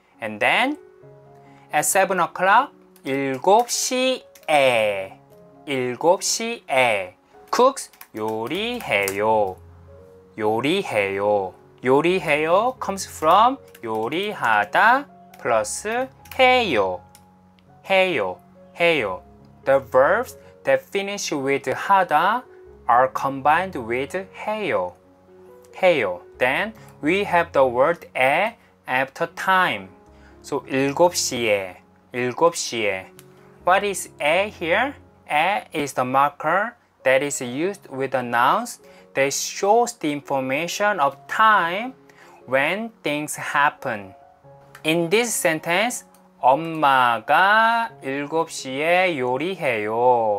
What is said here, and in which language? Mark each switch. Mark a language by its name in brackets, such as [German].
[English] And then at 7 o'clock, [Korean] 7시에, 7시에, [English] cooks [Korean] 요리해요, 요리해요, 요리해요 [English] comes from 요리하다 plus 해요. [Korean] 해요, 해요. [English] The verbs that finish with 하다 are combined with 해요. [Korean] 해요. [English] Then we have the word 에 after time. [Korean] So 일곱시에, 일곱시에. [English] What is 에 here? 에 is the marker that is used with the nouns that shows the information of time when things happen. In this sentence, [Korean] 엄마가 7시에 요리해요.